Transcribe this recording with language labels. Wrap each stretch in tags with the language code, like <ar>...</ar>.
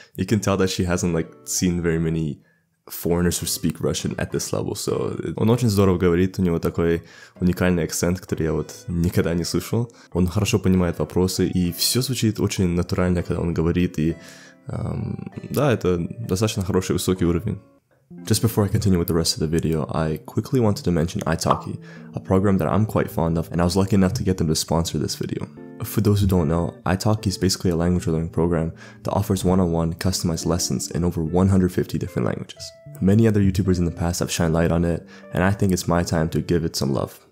<en>You can tell that she hasn't, like, seen very many foreigners who speak Russian at this level, so...</en> <ru>Он очень здорово говорит, у него такой уникальный акцент, который я вот никогда не слышал. Он хорошо понимает вопросы, и все звучит очень натурально, когда он говорит, и... да, это достаточно хороший высокий уровень.</ru> <en>Just before I continue with the rest of the video, I quickly wanted to mention iTalki, a program that I'm quite fond of, and I was lucky enough to get them to sponsor this video. For those who don't know, iTalki is basically a language learning program that offers one-on-one customized lessons in over 150 different languages. Many other YouTubers in the past have shined light on it, and I think it's my time to give it some love.</en>